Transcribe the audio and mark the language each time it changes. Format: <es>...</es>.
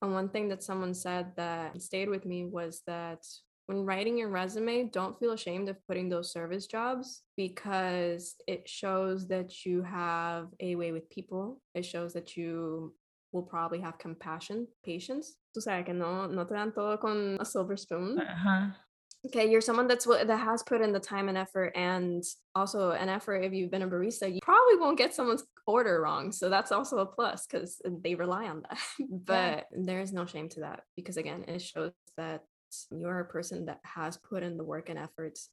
<en>And one thing that someone said that stayed with me was that when writing your resume, don't feel ashamed of putting those service jobs, because it shows that you have a way with people. It shows that you will probably have compassion, patience.</en> <es>Tú sabes que no te dan todo con</es> <en>a silver spoon. Okay, you're someone that has put in the time and effort, and also an effort. If you've been a barista, you probably won't get someone's order wrong. So that's also a plus, because they rely on that. But there is no shame to that, because again, it shows that you're a person that has put in the work and effort.</en>